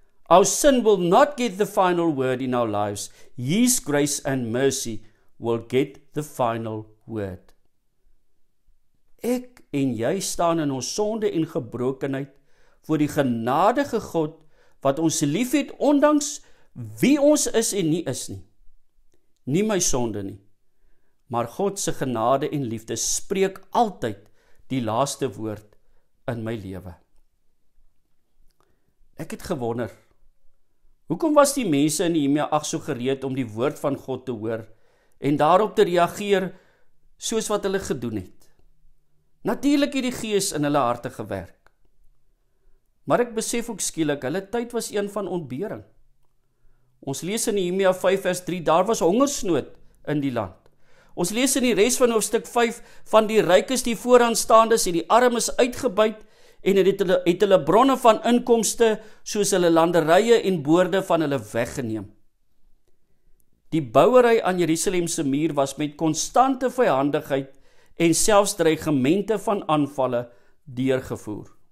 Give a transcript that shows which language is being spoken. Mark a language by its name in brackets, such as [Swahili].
[English] Our sin will not get the final word in our lives. His grace and mercy will get the final word. [Afrikaans] Ek en jy staan in ons sonde en gebrokenheid voor die genadige God wat ons lief het ondanks wie ons is en nie is nie. Nie my sonde nie, maar God se genade en liefde spreek altyd die laaste woord in my lewe. Ek het gewonder, hoekom was die mense in Nehemia 8 so gereed om die woord van God te hoor en daarop te reageer soos wat hulle gedoen het. Natuurlik het die gees in hulle harte gewerk. Maar ek besef ook skielik, hulle tyd was een van ontbering. Ons lees in Nehemia 5 vers 3, daar was hongersnood in die land. Ons lees in die res van hoofstuk 5, van die rykes die vooraanstaandes en die armes uitgebuit en het hulle bronne van inkomste soos hulle landerye en boorde van hulle weggeneem. Die bouwery aan Jerusalemse muur was met constante vyandigheid en selfs dreigemente van aanvalle deurgevoer.